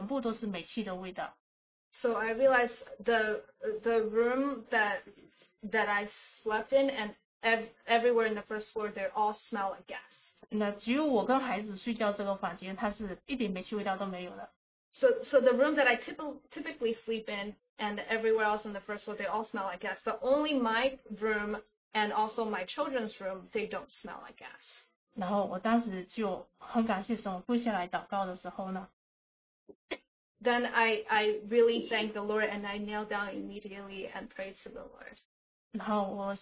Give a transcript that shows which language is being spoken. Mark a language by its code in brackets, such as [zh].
[zh] 然后呢，我就看到我睡觉的房间跟另外的房间全部都是煤气的味道。 [en] So I realized the room that I slept in and everywhere in the first floor, they all smell like gas. [zh] 那只有我跟孩子睡觉这个房间，它是一点煤气味道都没有的。 [en] So the room that I typically sleep in and everywhere else on the first floor, they all smell like gas. But only my room and also my children's room, they don't smell like gas. [zh] 然后我当时就很感谢神，跪下来祷告的时候呢。 [en] Then I really thanked the Lord and I knelt down immediately and prayed to the Lord.